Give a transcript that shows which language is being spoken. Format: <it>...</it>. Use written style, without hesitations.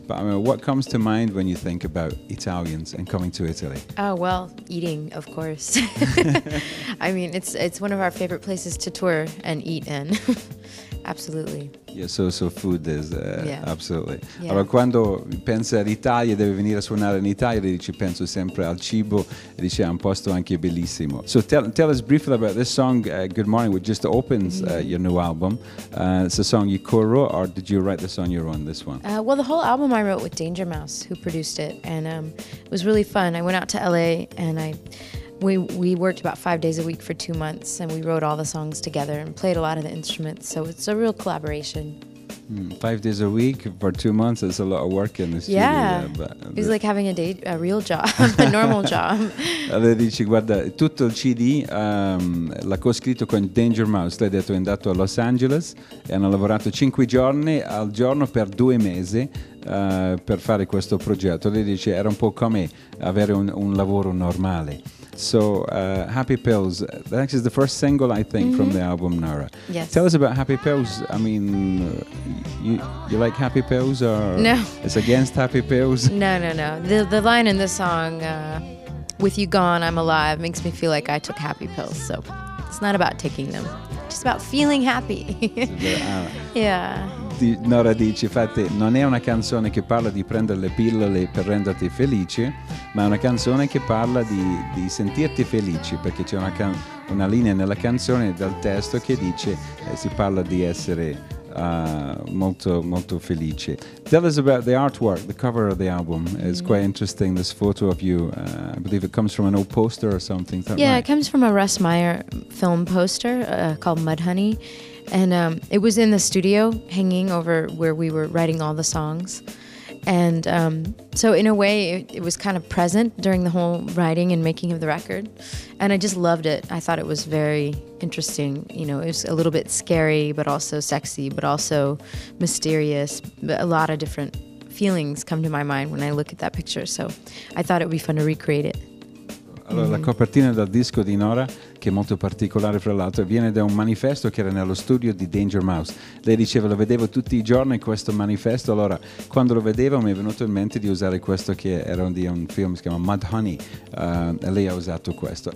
<en>But I mean, what comes to mind when you think about Italians and coming to Italy? Oh, well, eating, of course. I mean, it's one of our favorite places to tour and eat in. Absolutely. Yeah, so food is, yeah. Absolutely. Yeah.</en> <it>Allora, quando pensa all'Italia e deve venire a suonare in Italia, dice, penso sempre al cibo, e dice, è un posto anche bellissimo.</it> <en>So tell us briefly about this song, Good Morning, which just opens your new album. It's a song you co-wrote, or did you write the song you're on this one? Well, the whole album I wrote with Danger Mouse, who produced it, and it was really fun. I went out to LA, and We worked about 5 days a week for 2 months, and we wrote all the songs together and played a lot of the instruments, so it's a real collaboration. 5 days a week for 2 months, that's a lot of work in the studio. Yeah, it's like having a real job, a normal job.</en> <it>Lei dice, guarda, tutto il CD l'ha co-scritto con Danger Mouse. Lei ha detto, è andato a Los Angeles e hanno lavorato 5 giorni al giorno per 2 mesi. Per fare questo progetto. Lei dice, era un po' come avere un lavoro normale.</it> <en>So, Happy Pills, that is the first single, I think, from the album, Norah. Yes. Tell us about Happy Pills. I mean, you like Happy Pills, or no? It's against Happy Pills? No. The line in the song, with you gone, I'm alive, makes me feel like I took Happy Pills. So, it's not about taking them. Just about feeling happy. Yeah.</en> <it>Norah dice, infatti, non è una canzone che parla di prendere le pillole per renderti felice, ma è una canzone che parla di sentirti felice, perché c'è una linea nella canzone dal testo che dice, si parla di essere molto molto felice.</it> <en>Tell us about the artwork, the cover of the album. Mm-hmm. It's quite interesting, this photo of you. I believe it comes from an old poster or something. Yeah, right? It comes from a Russ Meyer film poster called Mudhoney. And it was in the studio hanging over where we were writing all the songs. And so in a way, it was kind of present during the whole writing and making of the record. And I just loved it. I thought it was very interesting. You know, it was a little bit scary, but also sexy, but also mysterious. A lot of different feelings come to my mind when I look at that picture. So I thought it would be fun to recreate it.</en> <it>Allora, la copertina del disco di Norah, che è molto particolare fra l'altro, viene da un manifesto che era nello studio di Danger Mouse. Lei diceva, lo vedevo tutti i giorni questo manifesto, allora quando lo vedevo mi è venuto in mente di usare questo che era di un film, si chiama Mudhoney, e lei ha usato questo.</it>